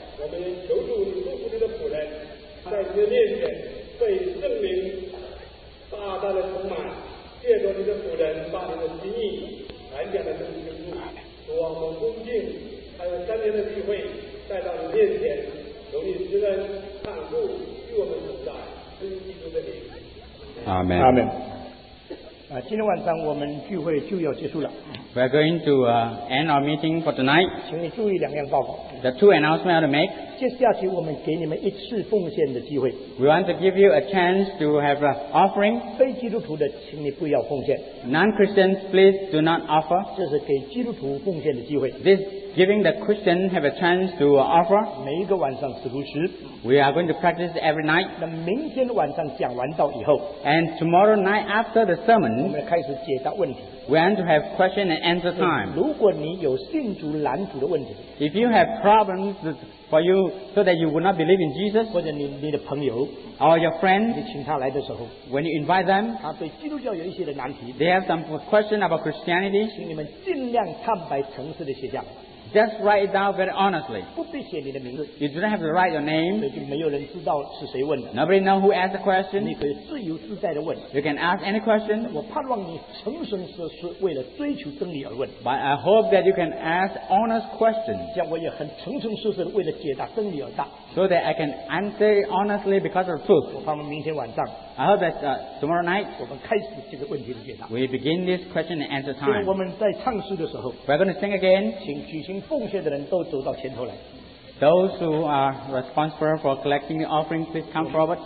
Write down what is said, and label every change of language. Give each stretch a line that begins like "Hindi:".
Chinese: 我们求助你祝福你的仆人，在你的面前被圣灵大大的充满，借着你的仆人把你的心意完全的呈现出来。主啊，我们恭敬还有三天的聚会带到你面前，求你施恩看顾与我们同在，尊基督的名。阿门。阿门。今天晚上我们聚会就要结束了。
English: We are going to end our meeting for tonight.
Chinese: 请你注意两样报告。
English: The two announcements I want to make.
Chinese: 接下去我们给你们一次奉献的机会。
English: We want to give you a chance to have an offering.
Chinese: 非基督徒的请你不要奉献。
English: Non-Christians, please do not offer.
Chinese: 这是给基督徒奉献的机会。
English: This giving the Christian have a chance to offer.
Chinese: 每一个晚上是如此。
English: We are going to practice every night.
Chinese: 那明天晚上讲完道以后。
English: And tomorrow night after the sermon.
Chinese: 我们开始解答问题。
English: We want to have question and answer time.
Chinese: 如果你有信主拦阻的问题。
English: If you have problems for you so that you would not believe in Jesus.
Chinese: 或者你的朋友。
English: Or your friend.
Chinese: 你请他来的时候。
English: When you invite them.
Chinese: 他对基督教有一些的难题。
English: They have some question about Christianity.
Chinese: 请你们尽量坦白诚实的写下。
English: Just write it down very honestly.
Chinese: 不必写你的名字。
English: You do not have to write your name.
Chinese: 所以就没有人知道是谁问的。
English: Nobody know who asked the question.
Chinese: 你可以自由自在的问。
English: You can ask any question.
Chinese: 我盼望你诚诚实实为了追求真理而问。
English: But I hope that you can ask honest questions.
Chinese: 这样我也很诚诚实实为了解答真理而答。
English: So that I can answer honestly because of truth.
Chinese: 我盼望明天晚上。
English: I hope that tomorrow night
Chinese: 我们开始这个问题的解答。
English: We begin this question and answer time.
Chinese: 我们在唱诗的时候。
English: We're going to sing again.
Chinese: 请举行奉献的人都走到前头来。
English: Those who are responsible for collecting the offering, please come forward.